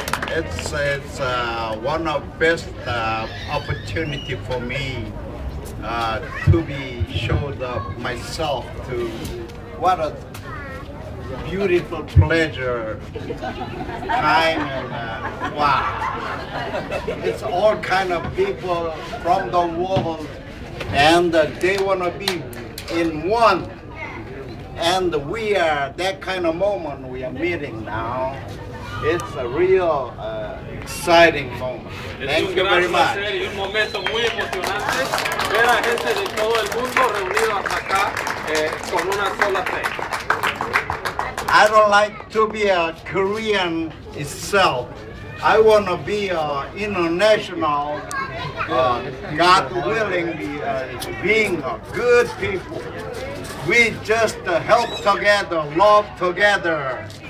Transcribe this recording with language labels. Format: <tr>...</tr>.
<en>It's one of best opportunity for me to be showed up myself to what a beautiful pleasure, time, and wow. It's all kind of people from the world, and they want to be in one. And we are that kind of moment we are meeting now. It's a real exciting moment. Thank you very much.</en> <es>Un momento muy emocionante ver a gente de todo el mundo reunido hasta acá con una sola fe.</es> <en>I don't like to be a Korean itself. I want to be a international, God willing, being a good people. We just help together, love together.</en>